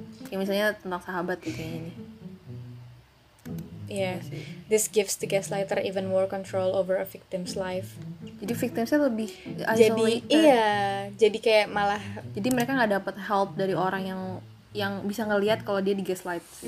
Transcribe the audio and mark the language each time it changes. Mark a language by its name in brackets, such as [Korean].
[Indonesian] Kayak misalnya tentang sahabat gitu kayaknya ini. [English] Yeah. This gives the gaslighter even more control over a victim's life. [Indonesian] Jadi victimnya lebih isolated. Jadi iya, jadi kayak malah jadi mereka enggak dapat help dari orang yang bisa ngelihat kalau dia di gaslight.